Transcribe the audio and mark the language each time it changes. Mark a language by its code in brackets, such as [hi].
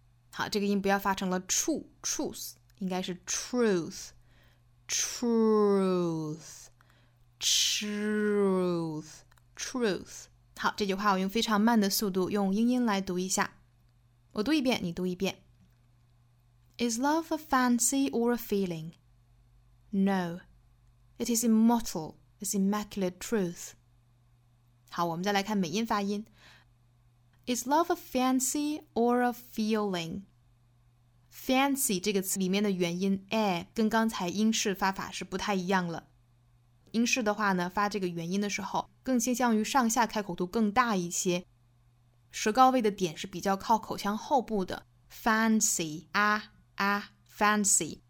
[zh] 好，这个音不要发成了 true truth， 应该是 truth truth truth truth。好，这句话我用非常慢的速度用英音来读一下，我读一遍你读一遍。 [en] Is love a fancy or a feeling? No, it is immortal, it's immaculate truth. [zh] 好，我们再来看美音发音。 [en] Is love a fancy or a feeling? [zh] Fancy 这个词里面的元音 a 跟刚才英式发法是不太一样了，英式的话呢发这个元音的时候更倾向于上下开口度更大一些，舌高位的点是比较靠口腔后部的 fancy 啊啊 fancy。